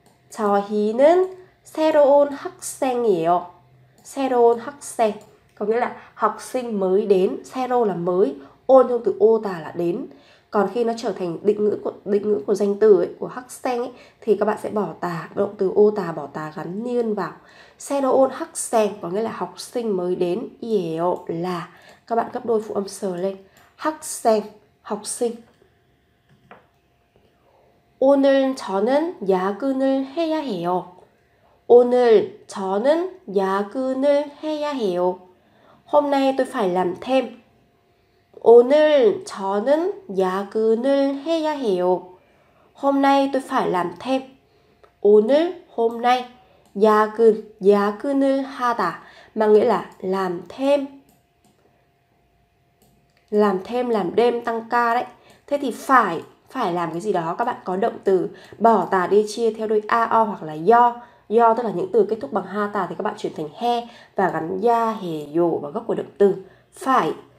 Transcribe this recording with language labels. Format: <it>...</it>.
<ko>저희는 새로운 학생이에요.</ko> <vi>새로운 학생 có nghĩa là học sinh mới đến. 새로 là mới, 온 trong từ ô tả là đến. Còn khi nó trở thành định ngữ của danh từ ấy, của학생 ấy, thì các bạn sẽ bỏ tả động từ ô tả, bỏ tả gắn niên vào. 새로운 학생 có nghĩa là học sinh mới đến. 이에요 là các bạn gấp đôi phụ âm s lên. 학생 học sinh.</vi> <ko>오늘 저는 야근을 해야 해요. 오늘 저는 야근을 해야 해요.</ko> <vi>Hôm nay tôi phải làm thêm.</vi> <ko>오늘 저는 야근을 해야 해요.</ko> <vi>Hôm nay tôi phải làm thêm. 오늘 hôm nay 야근을 하다 mà nghĩa là làm thêm. Làm thêm, làm đêm, tăng ca đấy. Thế thì phải làm cái gì đó, các bạn có động từ bỏ tà đi chia theo đuôi a o hoặc là do tức là những từ kết thúc bằng ha tà thì các bạn chuyển thành he và gắn ya hề yo vào gốc của động từ phải.</vi>